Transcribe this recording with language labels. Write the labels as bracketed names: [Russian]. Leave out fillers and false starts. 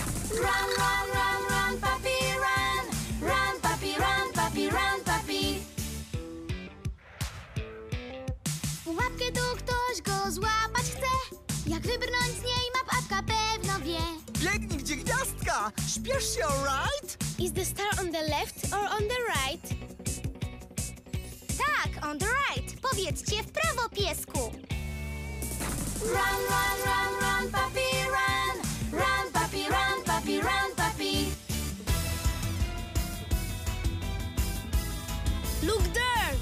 [English] Run, run, run, run, papi, run. Run, papi, run, papi, run, papi. [Polish] W łapkę tu ktoś go złapać chce. Jak wybrnąć z niej, ma babka pewno wie. Biegnij, gdzie gwiazdka, śpiesz się, [English] all right? Is the star on the left or on the right? Tak, on the right. [Polish] Powiedzcie w prawo piesku. [English] Run, run, run, run, papi, run. Run, papi, run, papi, run, papi. Look there!